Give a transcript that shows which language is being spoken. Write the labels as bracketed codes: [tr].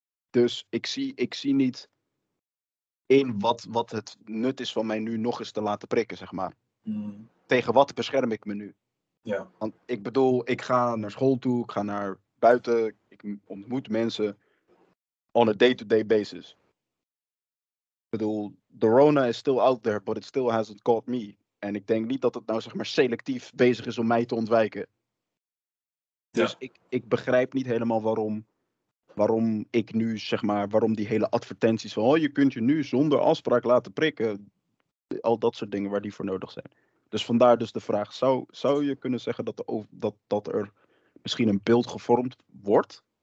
[nl] Dus ik zie niet in wat het nut is van mij nu nog eens te laten prikken, zeg maar. Mm. Tegen wat bescherm ik me nu? Ja. Want ik bedoel, ik ga naar school toe, ik ga naar buiten, ik ontmoet mensen [en] on a day-to-day basis. [nl] Ik bedoel, [en] the Rona is still out there, but it still hasn't caught me. [nl] En ik denk niet dat het nou, zeg maar, selectief bezig is om mij te ontwijken. Dus ja. Ik begrijp niet helemaal waarom ik nu, zeg maar, waarom die hele advertenties van, oh, je kunt je nu zonder afspraak laten prikken. Al dat soort dingen waar die voor nodig zijn. Dus vandaar dus de vraag, zou je kunnen zeggen dat er misschien een beeld gevormd wordt?